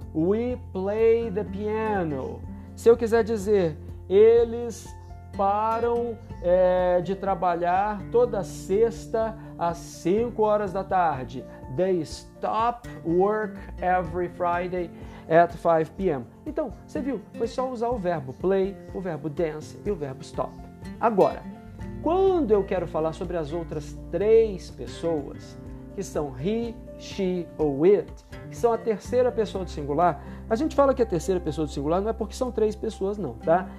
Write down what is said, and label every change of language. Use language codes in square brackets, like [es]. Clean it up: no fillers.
[en] We play the piano. [pt] Se eu quiser dizer, eles param de trabalhar toda sexta às 5 horas da tarde. [en] They stop work every Friday at 5 p.m. [pt] Então, você viu, foi só usar o verbo play, o verbo dance e o verbo stop. Agora, quando eu quero falar sobre as outras três pessoas, que são he, she ou it, que são a terceira pessoa do singular, a gente fala que é a terceira pessoa do singular não é porque são três pessoas, não, tá?